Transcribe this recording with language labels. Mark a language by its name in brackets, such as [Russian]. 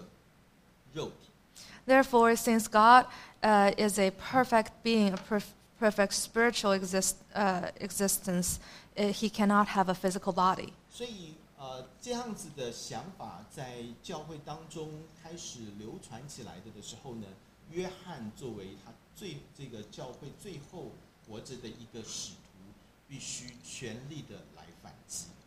[Chinese] 那么既然上帝是一个完美的神，所以呢，他不可能带有一个肉体。 [English] Therefore, since God is a perfect being, a perfect spiritual existence, he cannot have a physical body. [Chinese] 所以这样子的想法在教会当中开始流传起来的时候呢， 约翰作为他最后活着的一个使徒，必须全力的来反击。